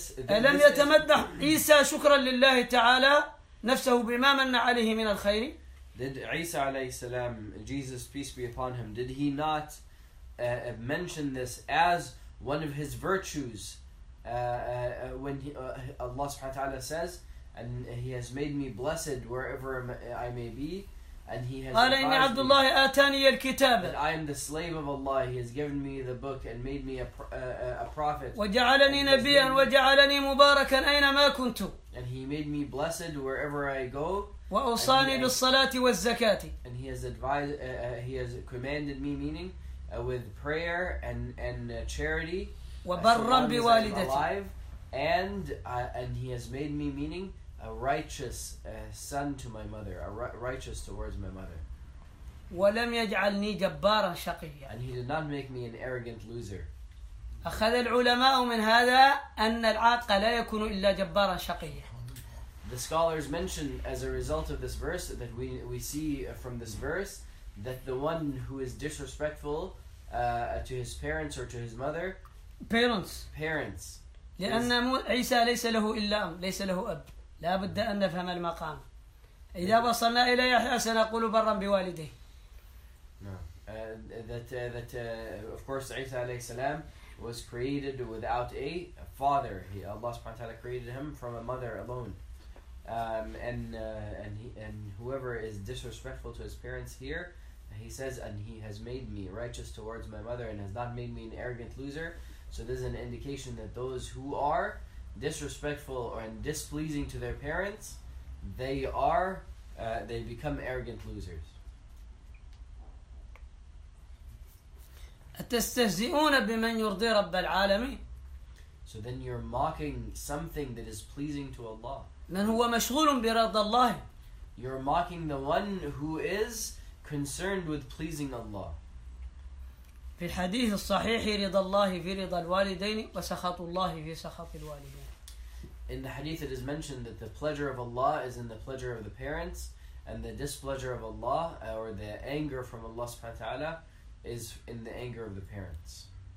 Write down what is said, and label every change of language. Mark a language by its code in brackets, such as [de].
[ar] ألم يتمدح عيسى شكرا لله تعالى نفسه بما من عليه من الخير؟ [en] Did Isa alayhi salam, Jesus peace be upon him, did he not mention this as one of his virtues when he, Allah subhanahu wa ta'ala says, and he has made me blessed wherever I may be, and he has that I am the slave of Allah, he has given me the book and made me a prophet. [ar] وَجَعَلَنِي نَبِيًا وَجَعَلَنِي مُبَارَكًا أَيْنَمَا كُنْتُ. [en] And he made me blessed wherever I go. [ar] وَأُوصَانِي بِالصَّلَاةِ وَالزَّكَاةِ. [en] And he has advised, he has commanded me, meaning with prayer and charity. [ar] وَبَرًّا بِوَالِدَتِي. [en] And he has made me, meaning a righteous son to my mother, righteous towards my mother. [ar] وَلَمْ يَجْعَلْنِي جَبَّارًا شَقِيًّا. [en] And he did not make me an arrogant loser. [ar] أخذ العلماء من هذا أن العاق لا يكون إلا جبارا شقيا. [en] The scholars mention as a result of this verse that we see from this verse that the one who is disrespectful to his parents or to his mother. Parents. [ar] لأن عيسى ليس له إلا أم ليس له أب لا بد أن نفهم المقام. إذا وصلنا إلى يحيى سنقول برا بوالديه. [en] Of course عيسى [ar] عليه السلام [en] was created without a father. Allah subhanahu wa ta'ala created him from a mother alone. And whoever is disrespectful to his parents here, he says, and he has made me righteous towards my mother and has not made me an arrogant loser. So this is an indication that those who are disrespectful or displeasing to their parents, they become arrogant losers. [ar] أتستهزئون بمن يرضي رب العالمين؟ [en] So then you're mocking something that is pleasing to Allah. [ar] من هو مشغول برضا الله؟ [en] You're mocking the one who is concerned with pleasing Allah. [ar] في الحديث الصحيح رضا الله في رضا الوالدين وسخط الله في سخط الوالدين. [en] In the hadith it is mentioned that the pleasure of Allah is in the pleasure of the parents and the displeasure of Allah or the anger from Allah subhanahu wa ta'ala is in the anger of the parents.